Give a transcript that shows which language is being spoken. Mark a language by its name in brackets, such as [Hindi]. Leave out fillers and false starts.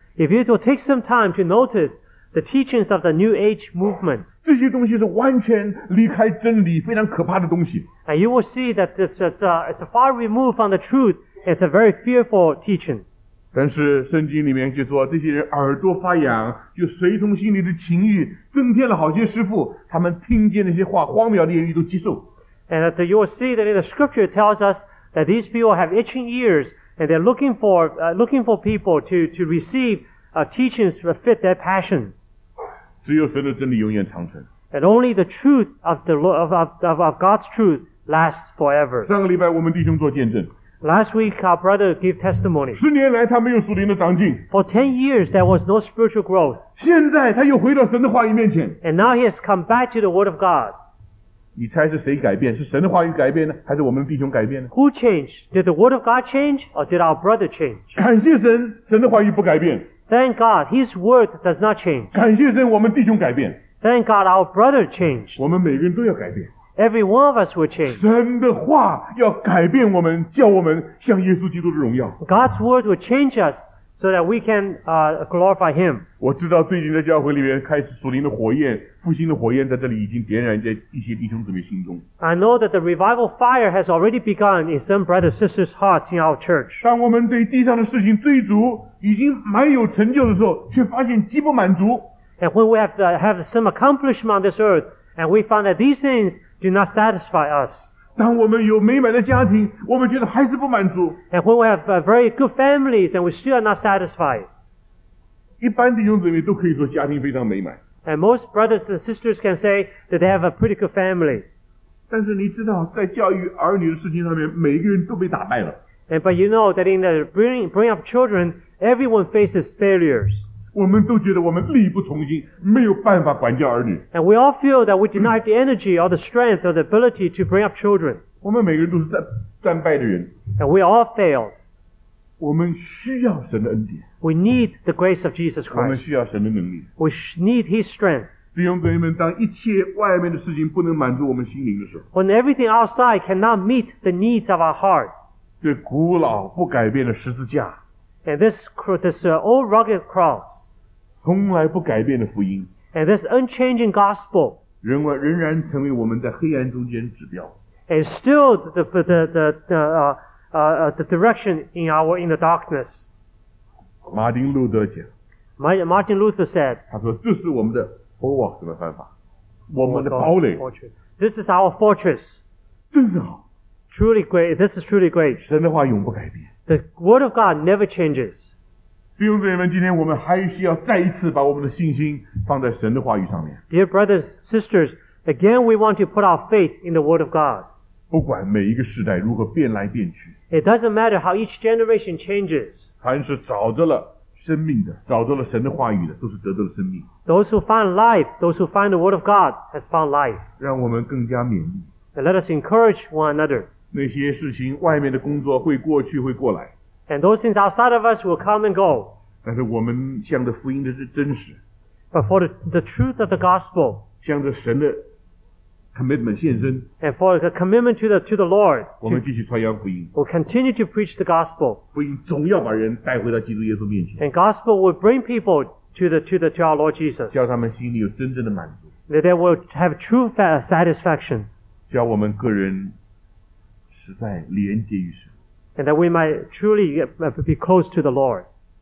[English] If you will take some time to notice the teachings of the New Age movement. [Chinese] 这些东西是完全离开真理，非常可怕的东西。 [English] And you will see that it's far removed from the truth. It's a very fearful teaching. [Chinese] 但是圣经里面就说这些人耳朵发痒，就随从心里的情欲，增添了好些师父，他们听见那些话荒谬的言语都接受。 [English] And that you will see that in the scripture it tells us that these people have itching ears and they're looking for people to receive teachings to fit their passions. [Chinese] 只有神的真理永远长存。 [English] And only the truth of God's truth lasts forever. [Chinese] 上个礼拜我们弟兄做见证。 [English] Last week, our brother gave testimony. [Chinese] 十年来他没有属灵的长进。 [English] For 10 years, there was no spiritual growth. [Chinese] 现在他又回到神的话语面前。 [English] And now he has come back to the word of God. [Chinese] 你猜是谁改变？是神的话语改变呢？还是我们弟兄改变呢？ [English] Who changed? Did the word of God change? Or did our brother change? [Chinese] 感谢神，神的话语不改变。 [English] Thank God, his word does not change. [Chinese] 感谢神，我们弟兄改变。 [English] Thank God, our brother changed. [Chinese] 我们每个人都要改变。 [English] Every one of us will change. [Chinese] 神的话要改变我们，叫我们像耶稣基督的荣耀。 [English] God's word will change us so that we can glorify Him. [Chinese] 我知道最近在教会里面开始属灵的火焰，复兴的火焰在这里已经点燃在一些弟兄姊妹心中。 [English] I know that the revival fire has already begun in some brothers and sisters' hearts in our church. [Chinese] 当我们对地上的事情追逐，已经蛮有成就的时候，却发现极不满足。 [English] And when we have some accomplishment on this earth, and we find that these things do not satisfy us. [Chinese] 当我们有美满的家庭，我们觉得还是不满足。 [English] And when we have very good families, and we still are not satisfied. [Chinese] 一般弟兄姊妹都可以说家庭非常美满。 [English] And most brothers and sisters can say that they have a pretty good family. [Chinese] 但是你知道，在教育儿女的事情上面，每个人都被打败了。 [English] And but you know that in the bring up children, everyone faces failures. [Chinese] 我们都觉得我们力不从心，没有办法管教儿女。 [English] And we all feel that we do not have the energy or the strength or the ability to bring up children. [Chinese] 我们每个人都是战败的人。 [English] And we all fail. [Chinese] 我们需要神的恩典。 [English] We need the grace of Jesus Christ. [Chinese] 我们需要神的能力。 [English] We need His strength. [Chinese] 弟兄姊妹们，当一切外面的事情不能满足我们心灵的时候 [English] ，When everything outside cannot meet the needs of our heart. [Chinese] 这古老不改变的十字架。 [English] And this old rugged cross. [Chinese] 从来不改变的福音 [English] and this unchanging gospel [Chinese] 仍然成为我们在黑暗中间指标 [English] and still the direction in the darkness. [Chinese] 马丁路德讲 [English] Martin Luther said [Chinese] 他说这是我们的 bulwark 什么方法我们的堡垒 [English] This is our fortress. [Chinese] 真的好 [English] Truly great, this is truly great. [Chinese] 神的话永不改变 [English] The word of God never changes. [Chinese] 弟兄姊妹们，今天我们还需要再一次把我们的信心放在神的话语上面。 [English] Dear brothers, sisters, again we want to put our faith in the word of God. [Chinese] 不管每一个时代如何变来变去。 [English] It doesn't matter how each generation changes. [Chinese] 凡是找着了生命的，找着了神的话语的，都是得到了生命。 [English] Those who find life, those who find the word of God has found life. [Chinese] 让我们更加勉励。 [English] And let us encourage one another. [Chinese] 那些事情，外面的工作会过去，会过来。 [English] And those things outside of us will come and go. [Chinese] 但是我们向着福音的真实。 [English] But for the truth of the gospel. [Chinese] 向着神的 commitment 献身。 [English] And for the commitment to the Lord. [Chinese] 我们继续传扬福音。 [English] We'll continue to preach the gospel. [Chinese] 福音总要把人带回到基督耶稣面前。 [English] And gospel will bring people to our Lord Jesus. [Chinese] 叫他们心里有真正的满足。 [English] That they will have true satisfaction. [Chinese] 叫我们个人实在连接于神。 [English] And that we might truly be close to the Lord.